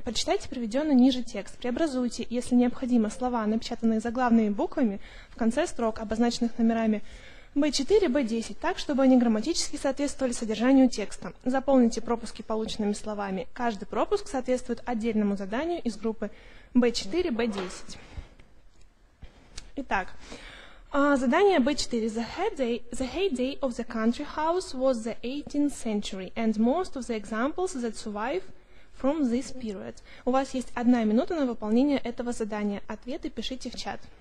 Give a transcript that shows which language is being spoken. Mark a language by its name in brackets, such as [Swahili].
[Russian] Прочитайте приведенный ниже текст. Преобразуйте, если необходимо, слова, напечатанные заглавными буквами, в конце строк, обозначенных номерами B4, B10, так, чтобы они грамматически соответствовали содержанию текста. Заполните пропуски полученными словами. Каждый пропуск соответствует отдельному заданию из группы B4, B10. Итак, задание B4. [English] The heyday of the country house was the 18th century, and most of the examples that survive from this period. [Russian] У вас есть одна минута на выполнение этого задания. Ответы пишите в чат.